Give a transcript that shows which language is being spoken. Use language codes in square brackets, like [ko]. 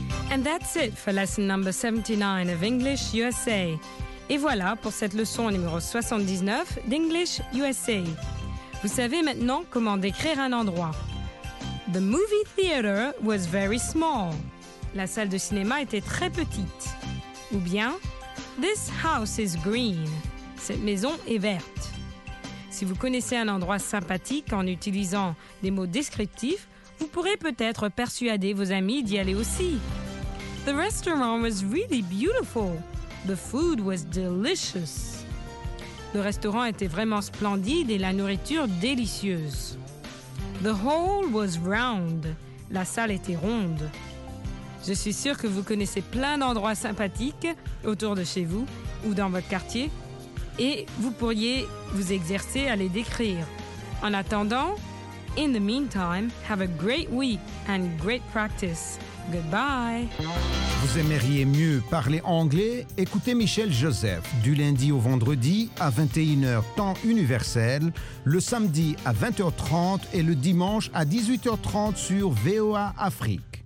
[en] And that's it for lesson number 79 of English USA. [fr] Et voilà pour cette leçon numéro 79 d'English USA. Vous savez maintenant comment décrire un endroit. [en] The movie theater was very small. [fr] La salle de cinéma était très petite. Ou bien, [en] this house is green. [fr] Cette maison est verte. Si vous connaissez un endroit sympathique en utilisant des mots descriptifs, vous pourrez peut-être persuader vos amis d'y aller aussi. [en] The restaurant was really beautiful. The food was delicious. [fr] Le restaurant était vraiment splendide et la nourriture délicieuse. [en] The hall was round. [fr] La salle était ronde. Je suis sûre que vous connaissez plein d'endroits sympathiques autour de chez vous ou dans votre quartier et vous pourriez vous exercer à les décrire. En attendant, [en] in the meantime, have a great week and great practice. Goodbye. [fr] Vous aimeriez mieux parler anglais? Écoutez Michel Joseph du lundi au vendredi à 21h temps universel, le samedi à 20h30 et le dimanche à 18h30 sur VOA Afrique.